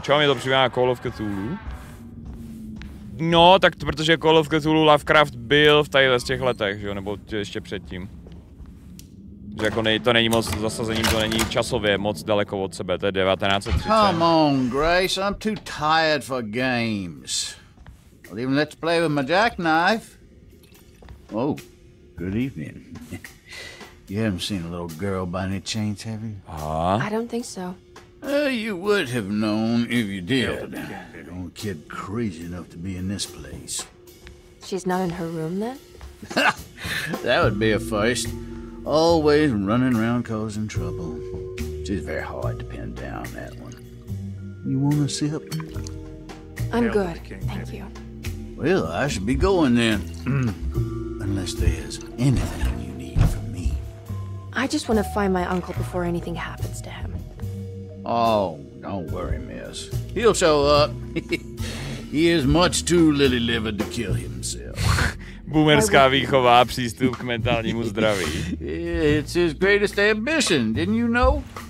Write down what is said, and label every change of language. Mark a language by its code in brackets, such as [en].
[cs] Čau, mě to připomíná Call of Cthulhu. No, tak protože Call of Cthulhu Lovecraft byl v tadyhle z těch letech, že jo, nebo ještě předtím. Že jako to není moc zasazením, to není časově moc daleko od sebe, to je 1930. [en] Come on, Grace, I'm too tired for games. I'll even let's play with my jackknife. Oh, good evening. You haven't seen a little girl by any chance, have you? Huh? I don't think so. You would have known if you did. Yeah. Don't kid crazy enough to be in this place. She's not in her room, then? That would be a first. Always running around causing trouble. She's very hard to pin down, that one. You want a sip? I'm good, thank you. Well, I should be going then. Unless there's anything. I just want to find my uncle before anything happens to him. Oh, don't worry, miss. He'll show up. He is much too lily-livered to kill himself. [cs] Boomerská výchova, přístup k mentálnímu zdraví. [en] It's his greatest ambition, didn't you know?